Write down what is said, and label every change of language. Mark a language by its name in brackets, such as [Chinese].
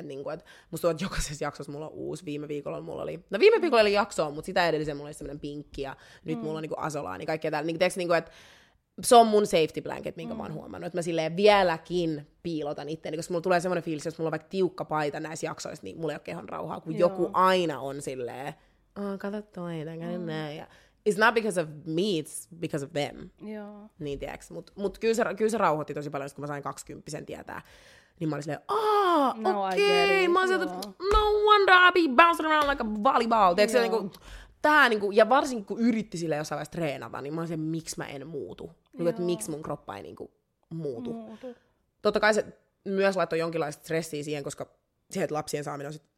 [Finnish] Niinku, musta tuntuu, jokaisessa jaksossa mulla on uusi. Viime viikolla mulla oli, no viime viikolla oli jakso, mutta sitä edellisen mulla oli semmoinen pinkki ja nyt mulla on niinku Azolaa, niin kaikkea täällä. Niin, teks, niinku, että se on mun safety blanket, minkä mä oon huomannut, että mä silleen vieläkin piilotan itseäni, koska mulla tulee semmoinen fiilis, jos mulla on vaikka tiukka paita näissä jaksoissa, niin mulla ei ole kehon rauhaa, kun joku aina on silleen, oh, kato toinen, kato näin. [English] It's not because of me, it's because of them. [Finnish] Joo. Niin, tiiäks. Mut kyllä se rauhoitti tosi paljon, kun mä sain 20-vuotiaan tietää. Niin mä olin silleen, okei. [English] Okay. [Finnish] Mä olin silleen, [English] no wonder I be bouncing around like a volleyball. [Finnish] Tiiäks, niin kuin, tää, niin kuin, ja varsinkin kun yritti silleen jossain vaiheessa treenata, niin mä olin silleen, miksi mä en muutu. Niin, että miksi mun kroppa ei niin kuin, muutu. Totta kai se myös laittoi jonkinlaista stressiä siihen, koska se, että lapsien saaminen on sitten